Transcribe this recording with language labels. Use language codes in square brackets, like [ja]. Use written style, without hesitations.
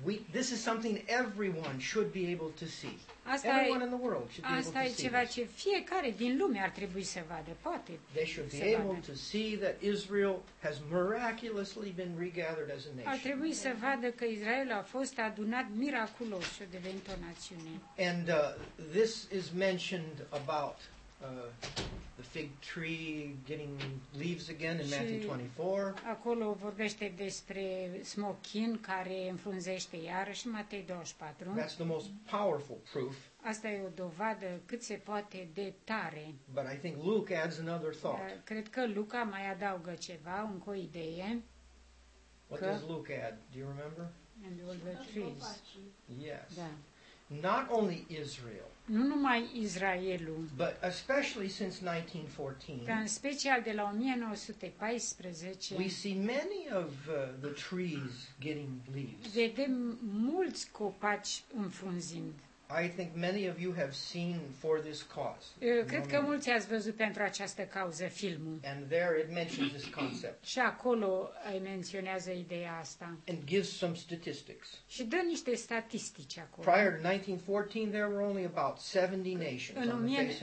[en] This is something everyone should be able to see. Everyone in the world should be able to see. [ro] Asta e ceva ce fiecare din lume ar trebui să vadă, poate. [en] They should be able to see that Israel has miraculously been regathered as a nation. [ro] Ar trebui să vadă că Israel a fost adunat miraculos și a devenit o națiune. [en] And this is mentioned about the fig tree getting leaves again in Matthew 24. [ro] Acolo vorbește despre smochin care înfrunzește iarăși în Matei 24. [en] That's the most powerful proof. [ro] Asta e o dovadă cât se poate de tare. [en] But I think Luke adds another thought. [ro] Cred că Luca mai adaugă ceva, încă o idee. [en] What does Luke add? Do you remember? And all the trees. Yes. [ro] Da. [en] Not only Israel. [ro] Nu numai Israelul. [en] But especially since 1914. [ro] În special de la 1914. [en] We see many of the trees getting leaves. [ro] Vedem mulți copaci înfrunzind. [en] I think many of you have seen For This Cause. [ro] Cred că mulți ați văzut pentru această cauză filmul. [en] And there it mentions this concept. [ro] Și acolo îi menționează ideea asta. [en] And gives some statistics. [ro] Și dă niște statistici acolo. [en] Prior to 1914 there were only about 70 nations on the face of the earth.